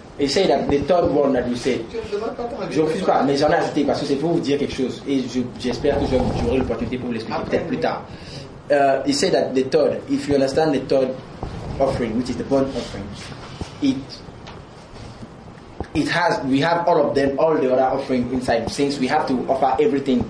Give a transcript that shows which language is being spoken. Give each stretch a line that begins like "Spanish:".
French: Et c'est
English: the third one that you said.
French: Je refuse pas, mais j'en ai ajouté parce que c'est pour vous dire quelque chose. Et j'espère que j'aurai l'opportunité pour vous l'expliquer peut-être plus tard.
English: It said that the third, if you understand the third offering, which is the burnt offering, it has, we have all of them, all the other offerings inside, since we have to offer everything.